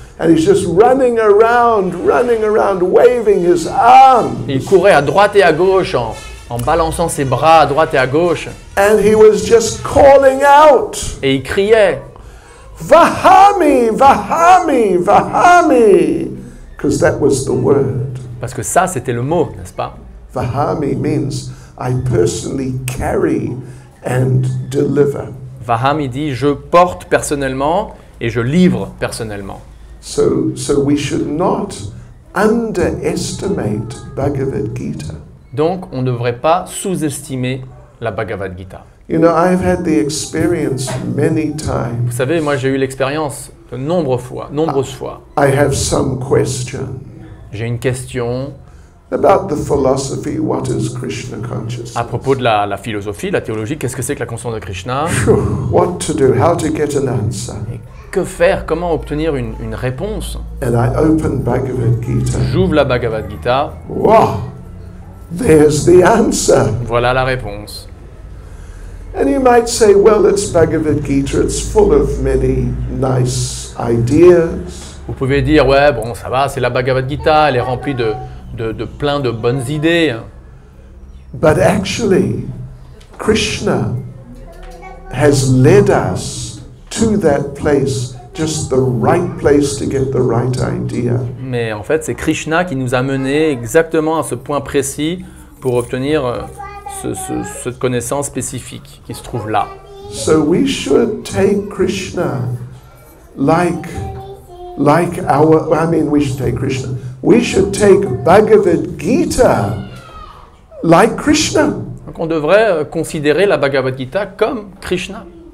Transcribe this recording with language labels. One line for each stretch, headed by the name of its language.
English: And he's just running around, waving his arms.
French: Il courait à droite et à gauche en balançant ses bras à droite et à gauche.
English: And he was just calling out.
French: Et il criait,
English: Vahami, Vahami, Vahami, because that was the word.
French: Parce que ça, c'était le mot, n'est-ce pas?
English: Vahami means I personally carry and deliver.
French: Vahami dit je porte personnellement et je livre personnellement.
English: So we should not underestimate Bhagavad Gita.
French: Donc, on ne devrait pas sous-estimer la Bhagavad Gita.
English: You know, I've had the experience many times.
French: Vous savez, moi j'ai eu l'expérience de nombreuses fois.
English: I have some question.
French: J'ai une question.
English: About the philosophy, what is Krishna consciousness?
French: À propos de la philosophie, la théologie, qu'est-ce que c'est que la conscience de Krishna?
English: What to do? How to get an answer?
French: Que faire? Comment obtenir une réponse?
English: And I open Bhagavad Gita.
French: J'ouvre la Bhagavad Gita.
English: Wow! There's the answer.
French: Voilà la réponse.
English: And you might say, well, it's Bhagavad Gita. It's full of many nice ideas.
French: Vous pouvez dire, ouais, bon, ça va, c'est la Bhagavad Gita. Elle est remplie de plein de bonnes idées.
English: But actually, Krishna has led us to that place, just the right place to get the right idea.
French: Mais en fait, c'est Krishna qui nous a mené exactement à ce point précis pour obtenir cette connaissance spécifique qui se trouve là.
English: So we should take Krishna We should take Bhagavad Gita like Krishna.
French: Donc on devrait considérer la Bhagavad Gita comme Krishna.